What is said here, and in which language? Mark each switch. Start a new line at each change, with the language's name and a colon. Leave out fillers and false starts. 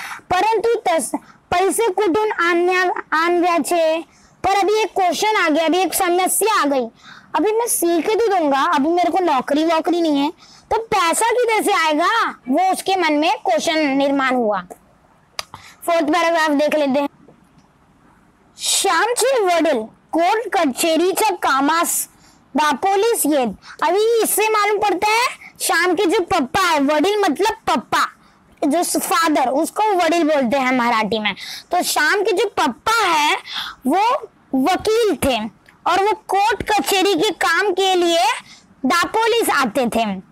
Marathi: परंतु पैसे कुठून आणव्याचे,
Hindi: पर अभी एक क्वेश्चन आ गया, अभी एक समस्या आ गई, अभी मैं सी के तो दूंगा, अभी मेरे को नौकरी वोकरी नहीं है तो पैसा किधर से आएगा, वो उसके मन में क्वेश्चन निर्माण हुआ। फोर्थ पैराग्राफ देख लेते हैं।
Marathi: श्याम चे वडील कोर्ट कचेरी चा कामास दापोलीस येत।
Hindi: अभी इससे मालूम पड़ता है श्याम के जो पप्पा है, वडील मतलब पप्पा, जो फादर उसको वडील बोलते हैं मराठी में, तो श्याम के जो पप्पा है वो वकील थे और वो कोर्ट कचेरी के काम के लिए दापोलीस आते थे।